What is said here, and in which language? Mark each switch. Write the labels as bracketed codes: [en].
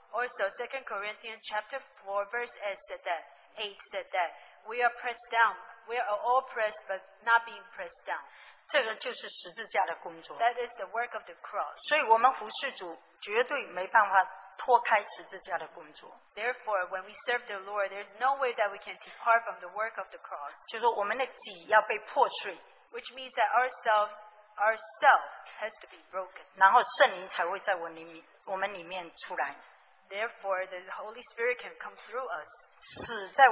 [en] Also 2 Corinthians chapter 4 verse 8 said that we are pressed down, we are all pressed but not being pressed down. [zh] 这个就是十字架的工作。 [en] That is the work of the cross. [zh] 所以我们服事主绝对没办法脱开十字架的工作。 [en] Therefore, when we serve the Lord, there's no way that we can depart from the work of the cross. [zh] 就是我们的己要被破碎。 [en] Which means that ourselves has to be broken. [zh] 然后圣灵才会在我们里面出来。 [en] Therefore, the Holy Spirit can come through us.